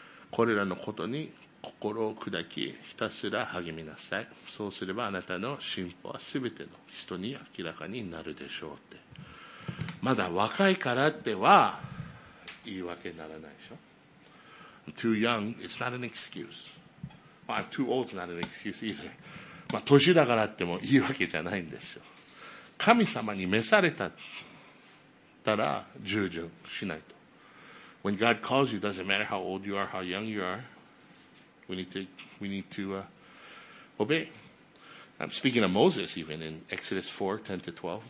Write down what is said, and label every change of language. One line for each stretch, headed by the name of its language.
Japanese: これらのことに心を砕き、ひたすら励みなさい。そうすればあなたの進歩はすべての人に明らかになるでしょうって。まだ若いからっては言い訳にならないでしょ。
English: I'm too young, it's not an excuse. Well, I'm too old, it's not an excuse either.
Japanese: まあ、年だからっても言い訳じゃないんですよ。神様に召されたったら従順しないと。
English: When God calls you, it doesn't matter how old you are, how young you are. We need to obey. I'm speaking of Moses even in Exodus 4, 10 to 12.